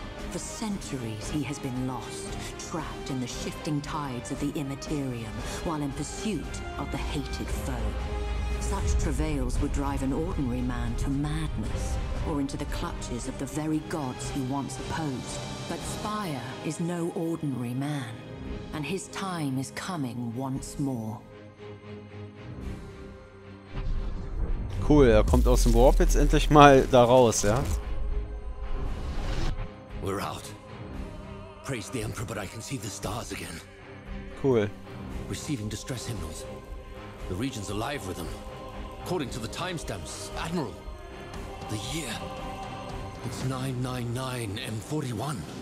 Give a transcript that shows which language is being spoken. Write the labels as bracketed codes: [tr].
[en] For centuries he has been lost, trapped in the shifting tides of the Immaterium, while in pursuit of the hated foe. Such travails would drive an ordinary man to madness, or into the clutches of the very gods he once opposed. But Spire is no ordinary man, and his time is coming once more. [de] Cool, er kommt aus dem Warp jetzt endlich mal da raus, ja? [en] We're out. Praise the Emperor, but I can see the stars again. Cool. Receiving distress signals. The region's alive with them. According to the timestamps, Admiral. The year. It's 999 M41.